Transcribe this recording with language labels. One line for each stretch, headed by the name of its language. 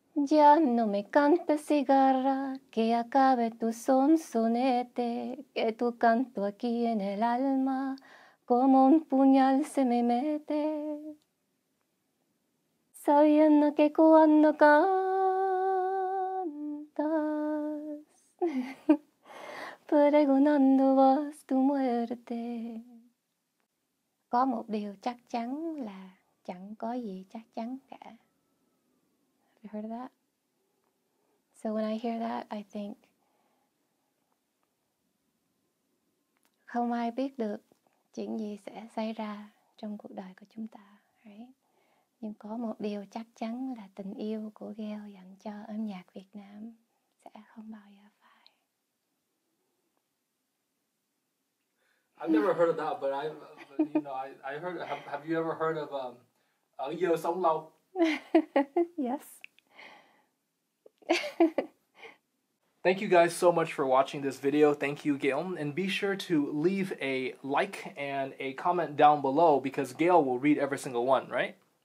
Spanish: Ya no me canta cigarra, que acabe tu son sonete, que tu canto aquí en el alma, como un puñal se me mete. Sabiendo que cuando cantas, pregonando vas tu muerte.
Vietnamese: Có một điều chắc chắn là chẳng có gì chắc chắn cả.
English: Have you heard of that? So when I hear that, I think,
Vietnamese: không ai biết được chuyện gì sẽ xảy ra trong cuộc đời của chúng ta, right? Nhưng có một điều chắc chắn là tình yêu của Gale dành cho âm nhạc Việt Nam sẽ không bao giờ phai.
English: I've never heard of that, but I, you know, I heard. Have you ever heard of Yêu Sống Lâu? Yes. Thank you guys so much for watching this video. Thank you, Gale. And be sure to leave a like and a comment down below, because Gale will read every single one, right?